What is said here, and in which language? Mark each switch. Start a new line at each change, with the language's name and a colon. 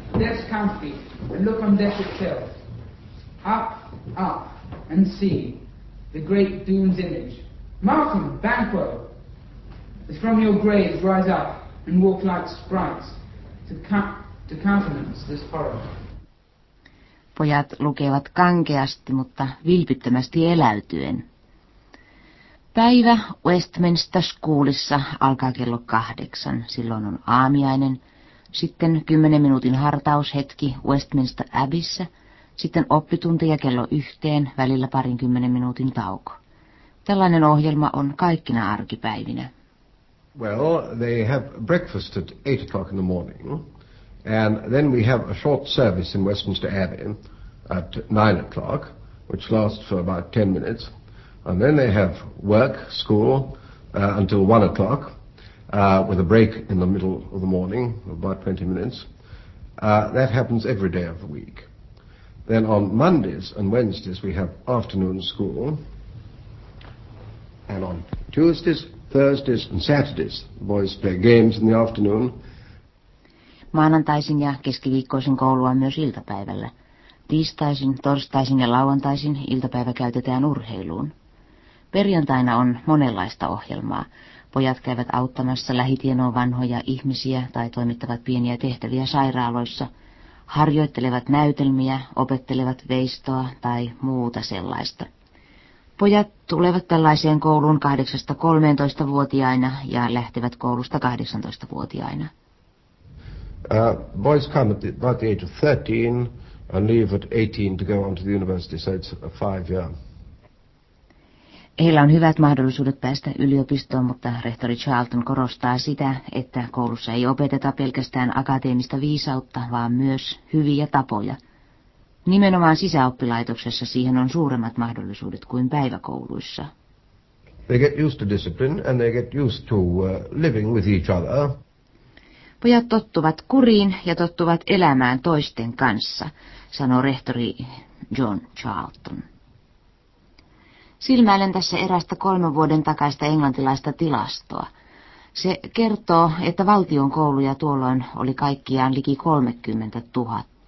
English: Death's counterfeit, and look on death itself. Up, up, and see the great doom's image. Malcolm, Banquo, from your graves rise up and walk like sprites to countenance this horror.
Finnish: Pojat lukevat kankeasti, mutta vilpittömästi eläytyen. Päivä Westminster Schoolissa alkaa kello 8. Silloin on aamiainen. Sitten 10 minuutin hartaushetki Westminster Abbeyssä. Sitten oppituntia kello 1, välillä parin 10 minuutin tauko. Tällainen ohjelma on kaikkina arkipäivinä.
English: Well, they have breakfast at 8 o'clock in the morning. And then we have a short service in Westminster Abbey at 9 o'clock, which lasts for about 10 minutes. And then they have work, school, until 1 o'clock, with a break in the middle of the morning, about 20 minutes. That happens every day of the week. Then on Mondays and Wednesdays we have afternoon school, and on Tuesdays, Thursdays and Saturdays the boys play games in the afternoon.
Finnish: Maanantaisin ja keskiviikkoisin koulua myös iltapäivällä. Tiistaisin, torstaisin ja lauantaisin iltapäivä käytetään urheiluun. Perjantaina on monenlaista ohjelmaa. Pojat käyvät auttamassa lähitienoon vanhoja ihmisiä tai toimittavat pieniä tehtäviä sairaaloissa, harjoittelevat näytelmiä, opettelevat veistoa tai muuta sellaista. Pojat tulevat tällaiseen kouluun 8-13-vuotiaina ja lähtevät koulusta 18-vuotiaina.
English: Boys come at the age of 13 and leave at 18 to go on to the university, so it's a 5-year.
Finnish: Heillä on hyvät mahdollisuudet päästä yliopistoon, mutta rehtori Charlton korostaa sitä, että koulussa ei opeteta pelkästään akateemista viisautta, vaan myös hyviä tapoja. Nimenomaan sisäoppilaitoksessa siihen on suuremmat mahdollisuudet kuin päiväkouluissa.
English: They get used to discipline and they get used to living with each other.
Finnish: Pojat tottuvat kuriin ja tottuvat elämään toisten kanssa, sanoo rehtori John Charlton. Silmäilen tässä erästä 3 vuoden takaista englantilaista tilastoa. Se kertoo, että valtion kouluja tuolloin oli kaikkiaan liki 30 000.